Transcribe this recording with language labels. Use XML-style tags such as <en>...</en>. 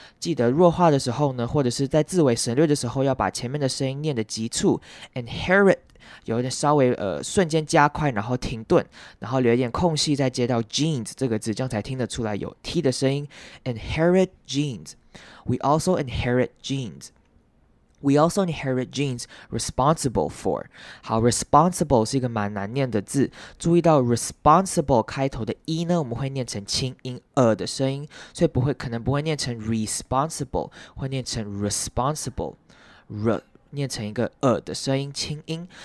<zh>记得弱化的时候呢，或者是在字尾省略的时候，要把前面的声音念得急促。 Inherit 有点稍微瞬间加快，然后停顿，然后留一点空隙，再接到 genes 这个字，这样才听得出来有 T 的声音。</zh> <en>Inherit genes. We also inherit genes. We also inherit genes responsible for.</en> <zh>好 ，responsible 是一个蛮难念的字。注意到 responsible 开头的 e 呢，我们会念成轻音 的声音，所以不会，可能不会念成 responsible， 会念成 responsible， 念成一个 的声音，轻音。</zh>